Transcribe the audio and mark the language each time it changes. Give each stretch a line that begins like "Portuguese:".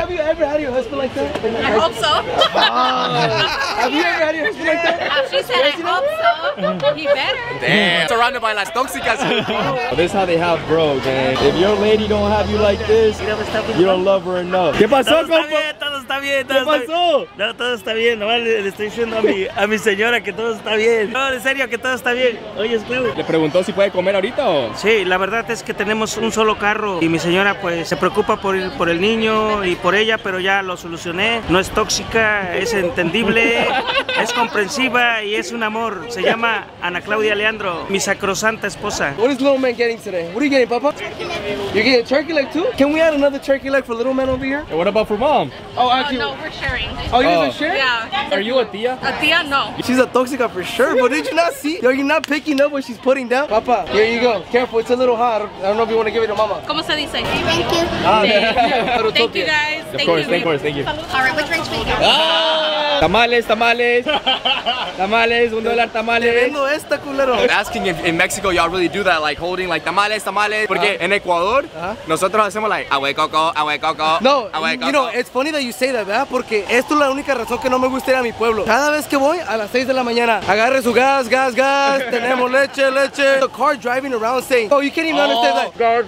English: Have you ever had your husband like that? I hope so. Have you ever had your husband like that? She said, yes, I hope so. He better. Damn. Surrounded by las Toxicas. Oh, this is how they have bro, man. If your lady don't have you like this, you don't love her enough.
Spanish: ¿Qué pasó, compa? Todo está bien, todo está bien. No, todo está bien. Nomás le estoy diciendo a mi señora que todo está bien. No, en serio, que todo está bien. Oye, esclavo. ¿Le preguntó si puede comer ahorita o? Sí, la verdad es que tenemos un solo carro y mi señora pues se preocupa por el niño y por ella, pero ya lo solucioné. No es tóxica, es entendible, es comprensiva y es un amor. Se llama Ana Claudia Leandro, mi sacrosanta esposa.
English: What is little man getting today? What are you getting, papa? Turkey leg. You're getting a turkey leg too? Can we add another turkey leg for little man over here? And what about for mom? Oh, actually, no, we're sharing. Oh, you guys are sharing? Yeah. Are you a tia?
Spanish: A tia, no.
English: She's a toxica for sure, but did you not see? Yo, you're not picking up what she's putting down? Papa, here you go. Careful, it's a little hot. I don't know if you want to give it to mama.
Spanish: ¿Cómo se dice?
English: Thank you. Thank you, guys. Of course, thank you. All right, which ranch we get? Tamales. Tamales, $1 tamales.
Spanish: Te vendo esta, culero.
English: I'm asking if in Mexico y'all really do that, like holding like tamales.
Spanish: Porque en Ecuador, nosotros hacemos like, agua de coco.
English: No, you know, it's funny that you say that, ¿verdad?
Spanish: Porque esto es la única razón que no me gusta ir a mi pueblo. Cada vez que voy, a las 6 de la mañana, agarre su gas. Tenemos leche.
English: The car driving around saying, oh, you can't even understand that.